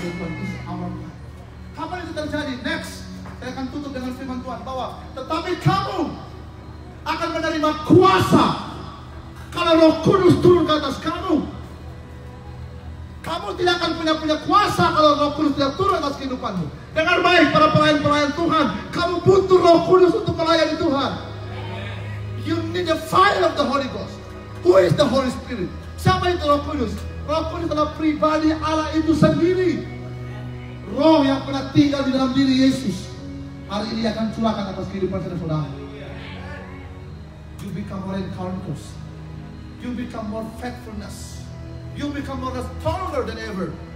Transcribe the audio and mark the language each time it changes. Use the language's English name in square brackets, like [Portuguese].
[Indonesian] itu terjadi, next saya akan tutup dengan firman Tuhan bahwa tetapi kamu akan menerima kuasa kalau Roh Kudus turun ke atas kamu. Kamu tidak akan punya kuasa kalau Roh Kudus tidak turun atas kehidupanmu. Dengar baik para pelayan-pelayan Tuhan, kamu butuh Roh Kudus untuk melayani Tuhan. [English] You need the fire of the Holy Ghost. Who is the Holy Spirit? Siapa itu Roh Kudus? [Indonesian] Roh Kudus adalah pribadi Allah itu sendiri. Roh yang pernah tinggal di dalam diri Yesus hari ini akan curahkan atas kehidupan saudara. [English] You become more encounters. You become more faithfulness. You become more stronger than ever.